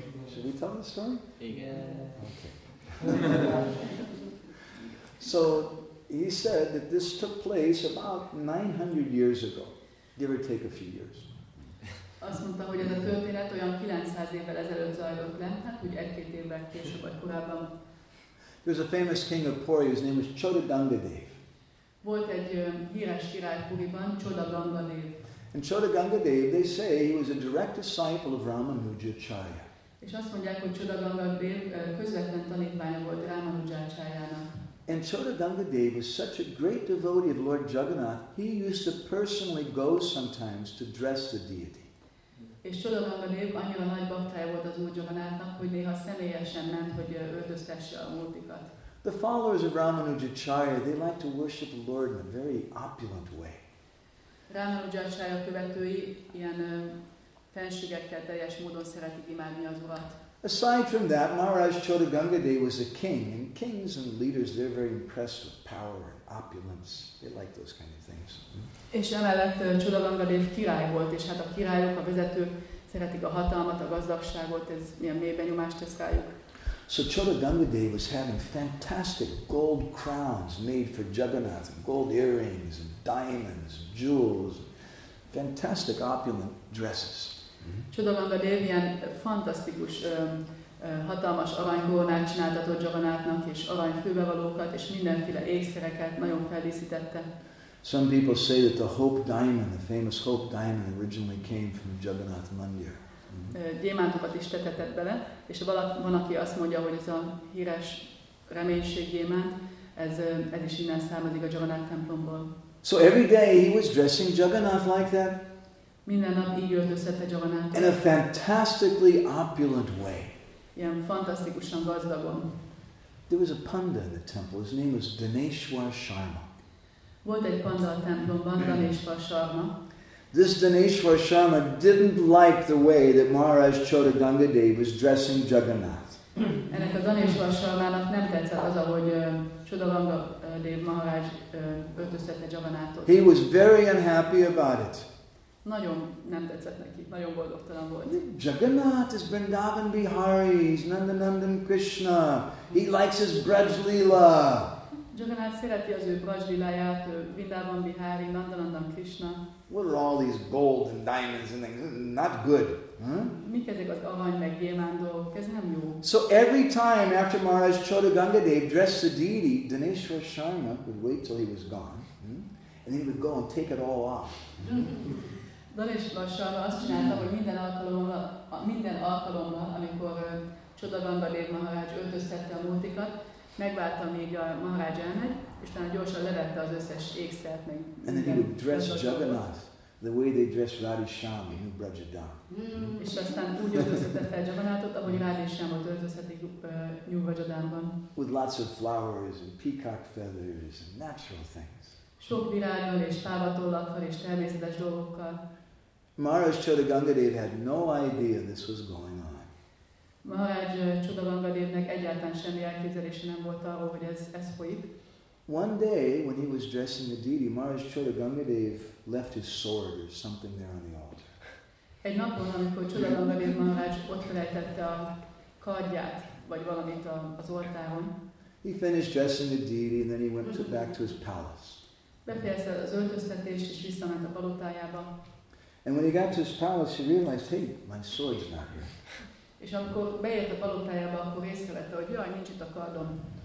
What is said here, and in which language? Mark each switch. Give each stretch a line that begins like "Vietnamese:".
English: Should we tell the story? Yeah. Okay. So he said that this took place about 900 years ago, give or take a few years.
Hungarian: Azt mondta, hogy ez a történet olyan 900 évvel ezelőtt zajlott le, hát úgy egy-két évvel később vagy korábban.
English: There was a famous king of Puri, his name was Chodagangadev.
Hungarian: Volt egy híres király Puriban, Chodagangadev.
English: And Chodagangadev, they say, he was a direct disciple of Ramanujacharya.
Hungarian: És azt mondják, hogy Chodagangadev közvetlen tanítványa volt Ramanujacharyának.
English: And Chodagangadev was such a great devotee of Lord Jagannath, he used to personally go sometimes to dress the deity.
Hungarian: És Chodagangadev annyira nagy baktája volt az Úr Jagannáthnak, hogy néha személyesen ment, hogy öltöztesse a múltikat.
English: The followers of Ramanujacharya, they like to worship the Lord in a very opulent way.
Hungarian: Ramanujacharya követői ilyen fenségekkel teljes módon szeretik imádni az Urat.
English: Aside from that, Maharaj Chodagangadev was a king, and kings and leaders, they're very impressed with power and opulence. They like those kind of things.
Hungarian: És emellett Chodagangadev király volt, és hát a királyok, a vezetők szeretik a hatalmat, a gazdagságot, ez milyen mélyben nyomást tesz rájuk.
English: So Chodagangadev was having fantastic gold crowns made for Jagannath, gold earrings, and diamonds, and jewels, and fantastic opulent dresses.
Hungarian: Chodagangadev ilyen fantasztikus, hatalmas aranygornát csináltatott Jagannathnak, és aranyfülbevalókat, és mindenféle ékszereket nagyon feldíszítette.
English: Some people say that the Hope Diamond, the famous Hope Diamond, originally came from Jagannath Mandir.
Hungarian: Gyémántokat is tetetett bele, és van, aki azt mondja, hogy ez a híres reménység gyémánt, ez is innen származik a Jagannath templomból.
English: So every day he was dressing Jagannath like that.
Hungarian: Minden nap így öltözhette Jagannath.
English: In a fantastically opulent way.
Hungarian: Ilyen fantasztikusan gazdagon.
English: There was a panda in the temple, his name was Dhaneshwar Sharma.
Hungarian: Volt egy panda a templomban, Dhaneshwar Sharma.
English: This Dhaneshwar Sharma didn't like the way that Maharaj Chodagangadev was dressing Jagannath.
Hungarian: Ennek a Dhaneshwar Sharmának nem tetszett az, ahogy Chodagangadev Maharaj öltöztette Jagannathot.
English: He was very unhappy about it.
Hungarian: Nagyon nem tetszett neki, nagyon boldogtalan volt.
English: Jagannath is Vrindavan Bihari, he's Nandanandan Krishna, he likes his Brajlila.
Hungarian: Jagannath szereti az ő Brajliláját, Vrindavan Bihari, Nandanandan Krishna.
English: What are all these gold and diamonds and things? Not good.
Hungarian: Mik ezek az arany meg gyémánt dolgok? Ez nem jó.
English: So every time after Maharaj Chodagangadev dressed the deity, Dhaneshwar Sharma would wait till he was gone. And he would go and take it all off.
Hungarian: Dhaneshwar Sharma azt csinálta, hogy minden alkalommal, amikor Chodagangadev Maharaj öltöztette a múltikat, megvárta, míg a Maharaj elmegy, és talán gyorsan levette az összes ékszert meg.
English: And then he would dress Jagannath the way they dress Radhe Shyam in Brajadam.
Hungarian: És aztán úgy öltöztetett fel Jagannathot, ahogy Radhe Shyamot öltöztetik New Brajadamban.
English: With lots of flowers and peacock feathers and natural things.
Hungarian: Sok virággal és fávatollakkal és természetes dolgokkal.
English: Maharaj Chodagangadev had no idea this was going on.
Hungarian: Maharaj Chodagangadevnek egyáltalán semmi elképzelése nem volt arról, hogy ez folyik.
English: One day, when he was dressing the deity, Maharaj Chodagangadev left his sword or something there on the altar.
Hungarian: Egy napon, amikor Chodagangadev Maharaj ott felejtette a kardját, vagy valamit az oltáron.
English: He finished dressing the deity and then he went back to his palace.
Hungarian: Befejezte az öltöztetést és visszament a palotájába.
English: And when he got to his palace, he realized, hey, my sword's not here.
Hungarian: És amikor beért a palotájába, akkor észrevette, hogy jaj, nincs itt a kardom.